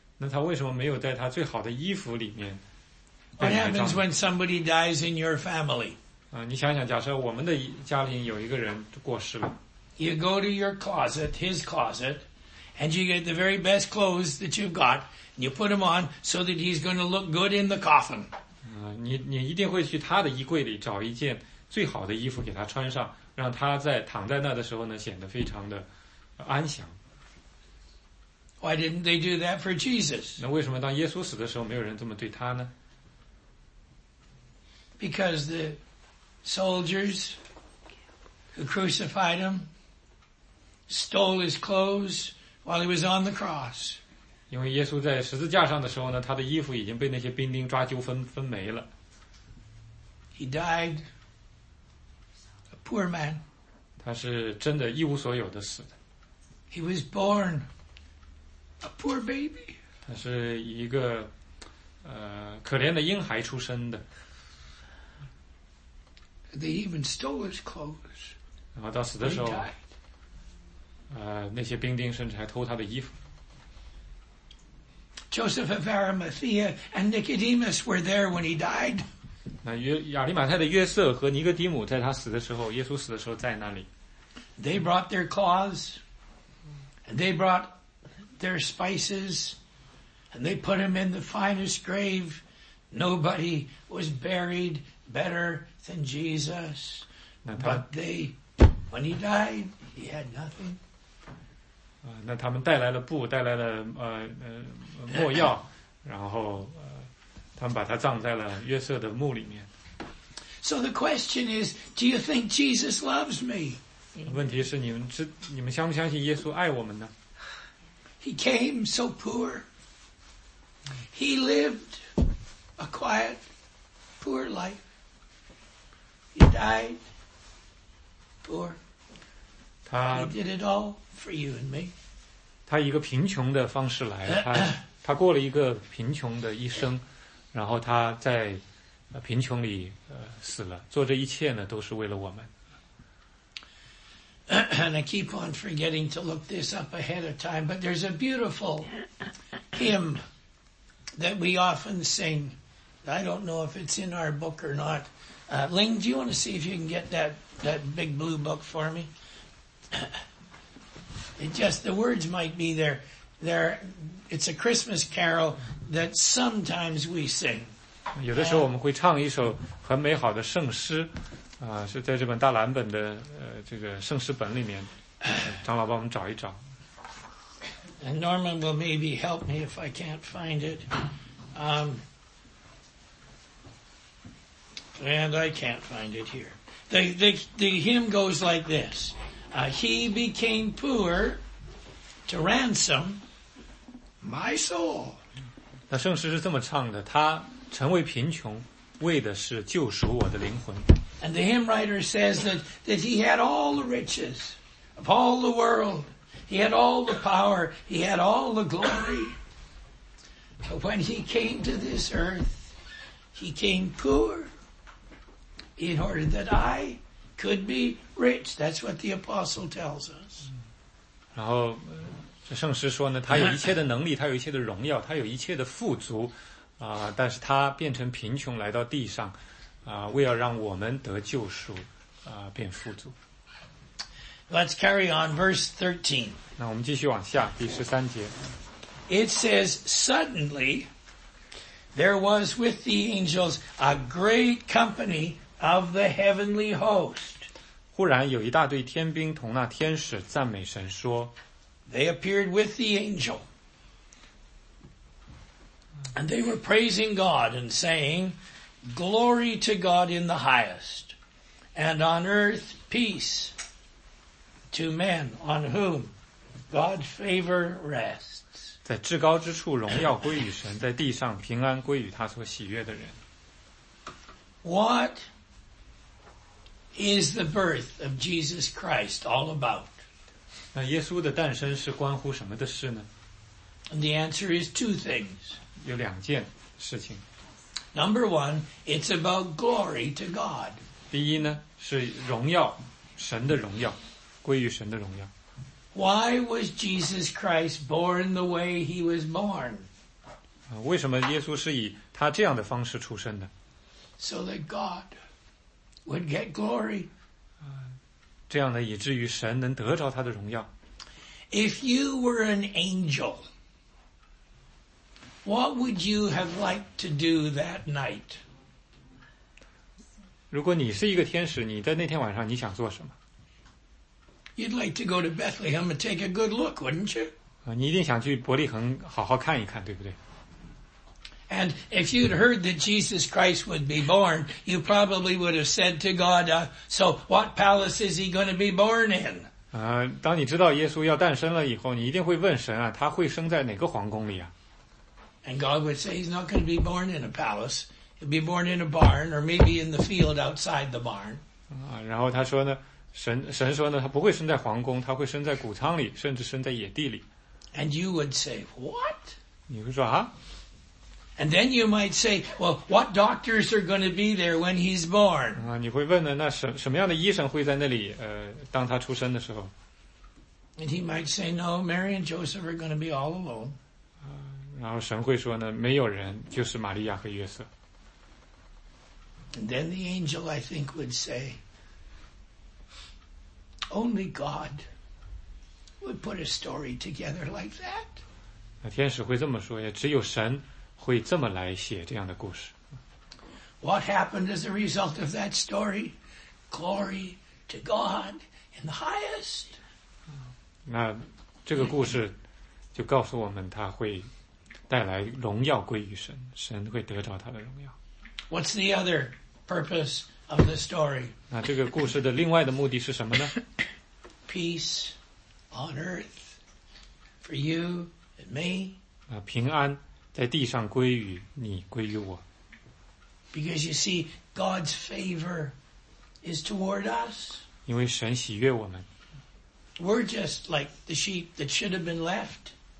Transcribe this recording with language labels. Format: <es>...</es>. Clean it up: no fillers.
<zh>那他为什么没有在他最好的衣服里面？</zh> <en>What happens when somebody dies in your family?</en> <zh>你想想，假设我们的家里有一个人过世了。</zh> <en>You go to your closet, his closet, and you get the very best clothes that you've got, and you put them on so that he's going to look good in the coffin.</en> <zh>你一定会去他的衣柜里找一件最好的衣服给他穿上。让他在躺在那的时候呢，显得非常的安详。</zh> <en>Why didn't they do that for Jesus?</en> <zh>那为什么当耶稣死的时候，没有人这么对他呢？</zh> <en>Because the soldiers who crucified him stole his clothes while he was on the cross.</en> <zh>因为耶稣在十字架上的时候呢，他的衣服已经被那些兵丁抓阄分没了。</zh> <en>He died. Poor man.</en> <zh>他是真的一无所有的死的。</zh> <en>He was born a poor baby.</en> <zh>他是一个可怜的婴孩出生的。</zh> <en>They even stole his clothes.</en> <zh>然后到死的时候，那些兵丁甚至还偷他的衣服。</zh> <en>Joseph of Arimathea and Nicodemus were there when he died.</en> <zh>亚利马太的约瑟和尼哥底母在他死的时候，耶稣死的时候在那里。</zh> <en>They brought their cloths, and they brought their spices, and they put him in the finest grave. Nobody was buried better than Jesus. But they, when he died, he had nothing.</en> <zh>那他们带来了布，带来了墨药，然后。他们把他葬在了约瑟的墓里面。</zh> <en>So the question is, do you think Jesus loves me?</en> <zh>问题是你们相不相信耶稣爱我们呢？</zh> <en>He came so poor. He lived a quiet, poor life. He died poor. He did it all for you and me.</en> <zh>他以一个贫穷的方式来，他过了一个贫穷的一生。然后他在贫穷里死了，做这一切呢都是为了我们。</zh> <en>And I keep on forgetting to look this up ahead of time, but there's a beautiful hymn that we often sing. I don't know if it's in our book or not. Ling, do you want to see if you can get that big blue book for me? It just, the words might be there. There, it's a Christmas carol that sometimes we sing.</en> <zh>有的时候我们会唱一首很美好的圣诗，啊，是在这本大蓝本的这个圣诗本里面，长老帮我们找一找。</zh> <en>And Norman will maybe help me if I can't find it. And I can't find it here. The hymn goes like this. He became poor to ransom my soul.</en> <zh>那圣诗是这么唱的，他成为贫穷，为的是救赎我的灵魂。</zh> <en>And the hymn writer says that he had all the riches of all the world. He had all the power. He had all the glory. But when he came to this earth, he came poor in order that I could be rich. That's what the apostle tells us.</en> <zh>然后这圣诗说呢，他有一切的能力，他有一切的荣耀，他有一切的富足。但是他变成贫穷来到地上，为要让我们得救赎，变富足。</zh> <en>Let's carry on, verse 13.</en> <zh>那我们继续往下，第十三节。</zh> <en>It says, suddenly, there was with the angels a great company of the heavenly host.</en> <zh>忽然有一大队天兵同那天使赞美神说。</zh> <en>They appeared with the angel. And they were praising God and saying, Glory to God in the highest, and on earth peace to men on whom God's favor rests.</en> <zh>在至高之处荣耀归于神，在地上平安归于他所喜悦的人。</zh> <en>What is the birth of Jesus Christ all about?</en> <zh>那耶稣的诞生是关乎什么的事呢？</zh> <en>And the answer is two things.</en> <zh>有两件事情。</zh> <en>Number one, it's about glory to God.</en> <zh>第一呢，是荣耀，神的荣耀，归于神的荣耀。</zh> <en>Why was Jesus Christ born the way he was born?</en> <zh>为什么耶稣是以他这样的方式出生的？</zh> <en>So that God would get glory.</en> <zh>这样呢，以至于神能得着他的荣耀。</zh> <en>If you were an angel,What would you have liked to do that night?</en> <zh>如果你是一个天使，你在那天晚上你想做什么？</zh> <en>You'd like to go to Bethlehem and take a good look, wouldn't you?</en> <zh>你一定想去伯利恒好好看一看，对不对？</zh> <en>And if you'd heard that Jesus Christ would be born, you probably would have said to God, so what palace is he going to be born in?</en> <zh>当你知道耶稣要诞生了以后，你一定会问神啊，他会生在哪个皇宫里啊？</zh> <en>And God would say he's not going to be born in a palace. He'll be born in a barn or maybe in the field outside the barn.</en> <zh>然后他说呢，神说呢，他不会生在皇宫，他会生在谷仓里，甚至生在野地里。</zh> <en>And you would say, what?</en> <zh>你会说啊？</zh> <en>And then you might say, well, what doctors are going to be there when he's born?</en> <zh>你会问呢，那什么样的医生会在那里，当他出生的时候？</zh> <en>And he might say, no, Mary and Joseph are going to be all alone.</en> <zh>然后神会说呢，没有人，就是玛利亚和约瑟。</zh> <en>And then the angel, I think, would say, "Only God would put a story together like that."</en> <zh>那天使会这么说呀，只有神会这么来写这样的故事。</zh> <en>What happened as a result of that story? Glory to God in the highest.</en> <zh>那这个故事就告诉我们，他会。带来荣耀归于神，神会得着他的荣耀。</zh> <en>What's the other purpose of the story?</en> <zh>那这个故事的另外的目的是什么呢？</zh> <en>Peace on earth for you and me.</en> <zh>平安在地上归于你，归于我。</zh> <en>Because you see, God's favor is toward us.</en> <zh>因为神喜悦我们。</zh> <en>We're just like the sheep that should have been left.</en>